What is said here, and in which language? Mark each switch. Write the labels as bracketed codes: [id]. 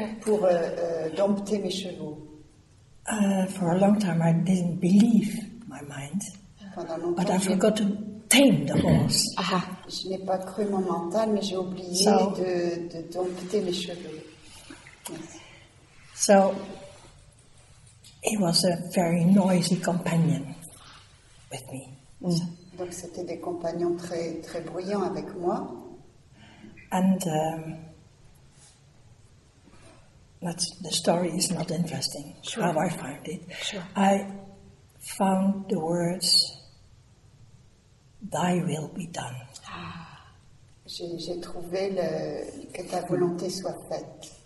[fr] Pour dompter mes chevaux. [en] For a long time I didn't believe my mind. But I forgot to tame the horse. Aha. [fr] Je n'ai pas cru mon mental, mais j'ai oublié de dompter mes cheveux. [en] Yes. So, he was a very noisy companion with me. Mm. [fr] Donc c'était des compagnons très très bruyants avec moi. [en] And that's, the story is not interesting. Sure. How I found it. Sure. I found the words, "Thy will be done." [fr] J'ai trouvé le que ta volonté soit faite.